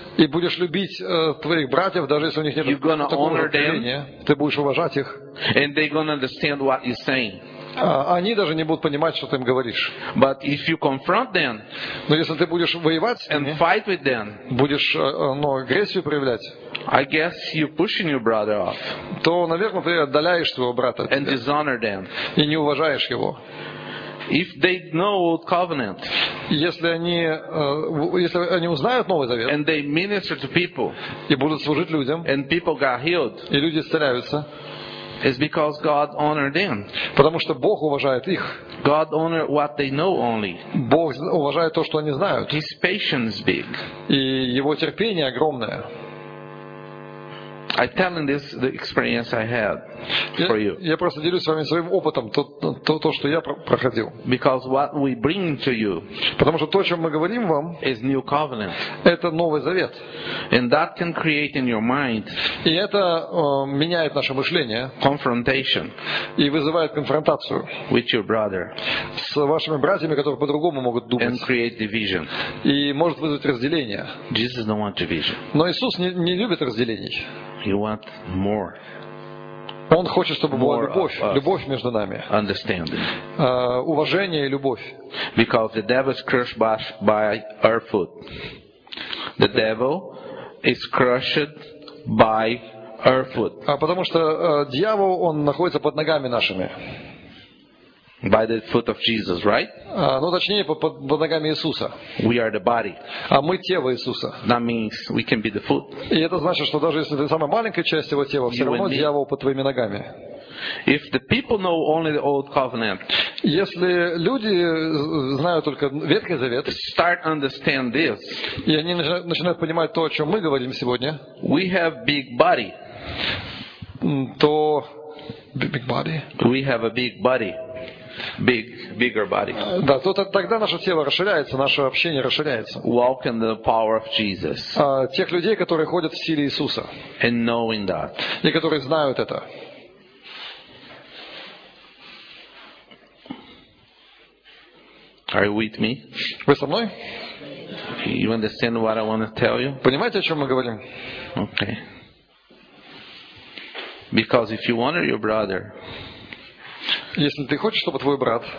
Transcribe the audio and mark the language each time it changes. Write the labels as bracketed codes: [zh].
[ru] И будешь любить твоих братьев, даже если у них нет такого откровения. Ты будешь уважать их. [en] And they're going to understand what you're saying. [ru] Они даже не будут понимать, что ты им говоришь. [en] But if you confront them, [ru] но если ты будешь воевать с ними, [en] and fight with them, [ru] будешь агрессию проявлять, [en] I guess you're pushing your brother off, [ru] то, наверное, ты отдаляешь своего брата от [en] and [ru] тебя, [en] dishonor them, [ru] и не уважаешь его. [en] If they know old covenant, [ru] если они узнают Новый Завет, [en] and they minister to people, [ru] и будут служить людям, [en] and people got healed, [ru] и люди исцеляются. [en] It's because God honored them. [ru] Потому что Бог уважает их. [en] God honored what they know only. [ru] Бог уважает то, что они знают. [en] His patience is big. [ru] И его терпение огромное. [en] I'm telling this the experience I had for you. [ru] Я просто делюсь с вами своим опытом, то, что я проходил. [en] Because what we bring to you. [ru] Потому что то, о чем мы говорим вам, [en] is new covenant. [ru] Это новый завет. [en] And that can create in your mind. [ru] И это меняет наше мышление. [en] Confrontation. [ru] И вызывает конфронтацию. [en] With your brother. [ru] С вашими братьями, которые по-другому могут думать. [en] And create division. [ru] И может вызвать разделение. [en] Jesus don't want division. [ru] Но Иисус не любит разделений. [en] He want more. [ru] Он хочет, чтобы была любовь между нами. [en] Understanding. [ru] Уважение и любовь. [en] Because the devil is crushed by our foot. The devil is crushed by our foot. [ru] А потому что дьявол он находится под ногами нашими. [en] By the foot of Jesus, right? [ru] Ну, точнее, под ногами Иисуса. [en] We are the body. [ru] А мы тело Иисуса. [en] That means we can be the foot. [ru] И это значит, что даже если ты самая маленькая часть его тела, все равно дьявол под твоими ногами. [en] If the people know only the old covenant, [ru] если люди знают только Ветхий Завет, [en] start understand this. [ru] И они начинают понимать то, о чем мы говорим сегодня. [en] We have big body. То big body. We have a big body. bigger body. [ru] Да, тогда наше тело расширяется, наше общение расширяется. [en] Walk in the power of Jesus. [ru] Тех людей, которые ходят в силе Иисуса. [en] And knowing that. [ru] И которые знают это. [en] Are you with me? [ru] Вы со мной? [en] You understand what I want to tell you? [ru] Понимаете, о чем мы говорим? [en] Okay. Because if you honor your brother, [ru] если ты хочешь, чтобы твой брат,